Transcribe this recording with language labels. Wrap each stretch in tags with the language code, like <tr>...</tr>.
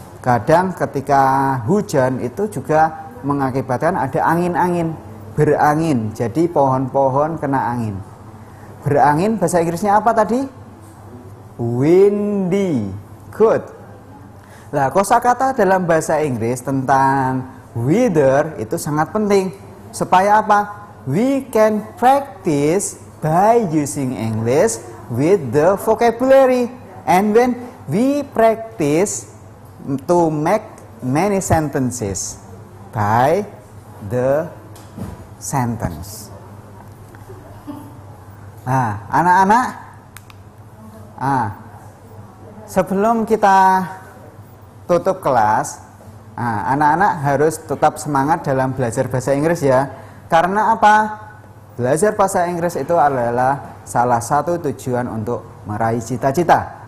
<id>Kadang ketika hujan itu juga mengakibatkan ada angin-angin, berangin. Jadi pohon-pohon kena angin. Berangin bahasa Inggrisnya apa tadi?</id> <en>Windy. Good.</en> <id>Nah, kosakata dalam bahasa Inggris tentang weather itu sangat penting. Supaya apa?</id> <en>We can practice by using English with the vocabulary. And when we practice to make many sentences by the sentence.</en> <id>Anak-anak, sebelum kita tutup kelas, anak-anak harus tetap semangat dalam belajar bahasa Inggris ya. Karena apa? Belajar bahasa Inggris itu adalah salah satu tujuan untuk meraih cita-cita.</id>